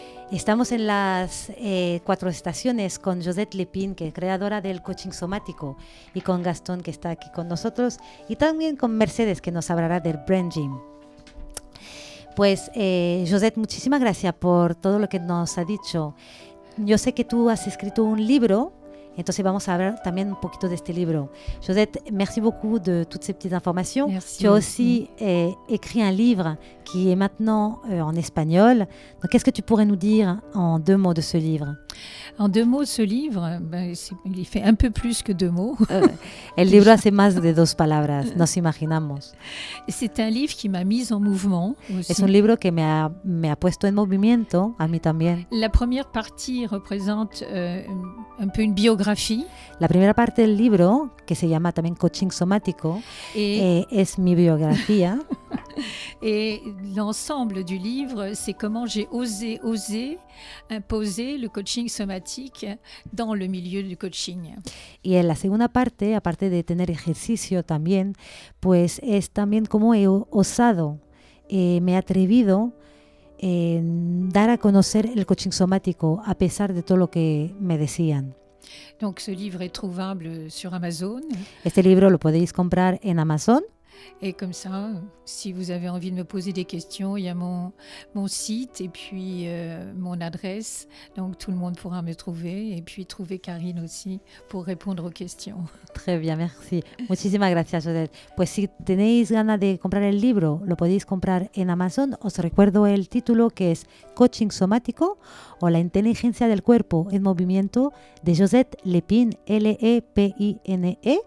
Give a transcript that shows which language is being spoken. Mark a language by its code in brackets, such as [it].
[es] Estamos en las cuatro estaciones con Josette Lépine, que es creadora del coaching somático, y con Gastón, que está aquí con nosotros, y también con Mercedes, que nos hablará del Brain Gym. Pues Josette, muchísimas gracias por todo lo que nos ha dicho. Yo sé que tú has escrito un libro, entonces vamos a hablar también un poquito de este libro. [fr] Josette, merci beaucoup de toutes ces petites informations. Merci. Tu as aussi écrit un livre qui est maintenant en espagnol. Donc, qu'est-ce que tu pourrais nous dire en deux mots de ce livre ? En deux mots, ce livre, il fait un peu plus que deux mots. [es] El libro hace más de dos palabras, nos imaginamos. [fr] C'est un livre qui m'a mise en mouvement. [es] Es un libro que me ha puesto en movimiento, a mí también. [fr] La première partie représente un peu une biographie. [es] La primera parte del libro, que se llama también Coaching Somático, es mi biografía. [fr] Et l'ensemble du livre, c'est comment j'ai osé imposer le coaching somatique dans le milieu du coaching. [es] Y en la segunda parte, aparte de tener ejercicio también, pues es también cómo he osado, me he atrevido dar a conocer el coaching somático a pesar de todo lo que me decían. [fr] Donc ce livre est trouvable sur Amazon. [es] Este libro lo podéis comprar en Amazon. [fr] Et comme ça, si vous avez envie de me poser des questions, il y a mon site et puis mon adresse. Donc tout le monde pourra me trouver et puis trouver Karine aussi pour répondre aux questions. Très bien, merci. [es] Muchísimas gracias, Josette. Pues si tenéis ganas de comprar el libro, lo podéis comprar en Amazon. Os recuerdo el título, que es Coaching Somático o la inteligencia del cuerpo en movimiento, de Josette Lépine, Lépine.